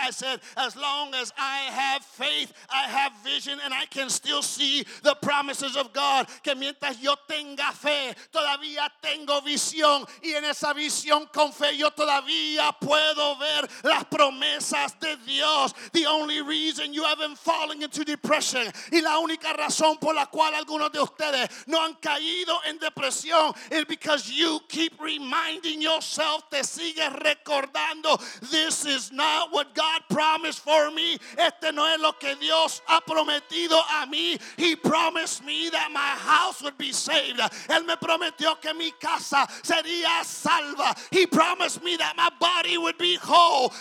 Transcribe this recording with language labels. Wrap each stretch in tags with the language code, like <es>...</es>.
<en>I said, as long as I have faith, I have vision, and I can still see the promises of God.</en> <es>Que mientras yo tenga fe, todavía tengo visión. Y en esa visión con fe, yo todavía puedo ver las promesas de Dios.</es> <en>The only reason you haven't fallen into depression,</en> <es>y la única razón por la cual algunos de ustedes no han caído en depresión,</es> <en>because you keep reminding yourself,</en> <es>te sigues recordando,</es> <en>this is not what God promised for me.</en> <es>Este no es lo que Dios ha prometido a mí.</es> <en>He promised me that my house would be saved.</en> <es>Él me prometió que mi casa sería salva.</es> <en>He promised me that my body would be whole.</en>